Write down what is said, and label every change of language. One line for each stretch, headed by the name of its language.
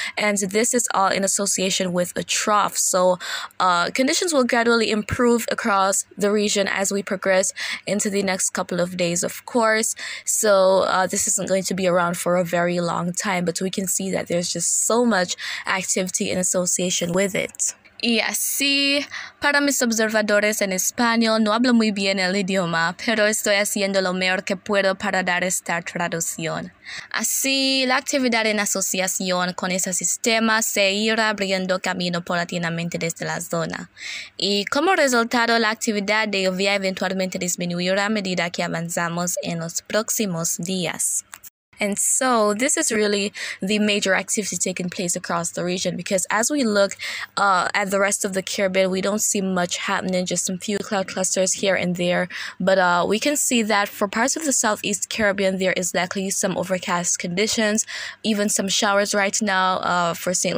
English: And this is all in association with a trough. So conditions will gradually improve across the region as we progress into the next couple of days, of course. So this isn't going to be around for a very long time, but we can see that there's just so much activity in association with it.
Spanish: Y así, para mis observadores en español, no hablo muy bien el idioma, pero estoy haciendo lo mejor que puedo para dar esta traducción. Así, la actividad en asociación con ese sistema se irá abriendo camino paulatinamente desde la zona. Y como resultado, la actividad debería eventualmente disminuir a medida que avanzamos en los próximos días.
English: And so this is really the major activity taking place across the region, because as we look at the rest of the Caribbean, we don't see much happening, just some few cloud clusters here and there. But we can see that for parts of the Southeast Caribbean, there is likely some overcast conditions, even some showers right now for St.